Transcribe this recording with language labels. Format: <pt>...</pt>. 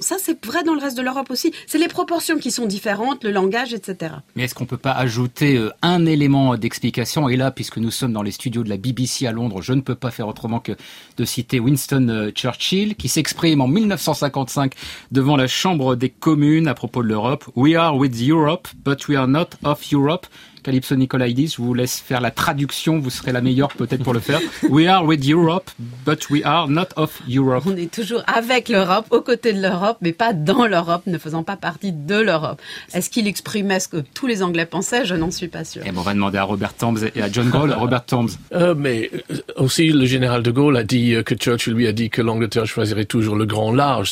<fr>Ça, c'est vrai dans le reste de l'Europe aussi. C'est les proportions qui sont différentes, le langage, etc. Mais est-ce qu'on ne peut pas ajouter un élément d'explication? Et là, puisque nous sommes dans les studios de la BBC à Londres, je ne peux pas faire autrement que de citer Winston Churchill, qui s'exprime en 1955 devant la Chambre des communes à propos de l'Europe.</fr> <en>« We are with Europe, but we are not of Europe. » Europe.</en> <fr>Calypso Nicolaïdis, je vous laisse faire la traduction, vous serez la meilleure peut-être pour le faire.</fr> <en>We are with Europe, but we are not of Europe.</en> <fr>On est toujours avec l'Europe, aux côtés de l'Europe, mais pas dans l'Europe, ne faisant pas partie de l'Europe. Est-ce qu'il exprimait ce que tous les Anglais pensaient? Je n'en suis pas sûr. Et bon, on va demander à Robert Thames et à John Gaulle. Robert Thames. Mais aussi, le général de Gaulle a dit que Churchill lui a dit que l'Angleterre choisirait toujours le grand large.</fr>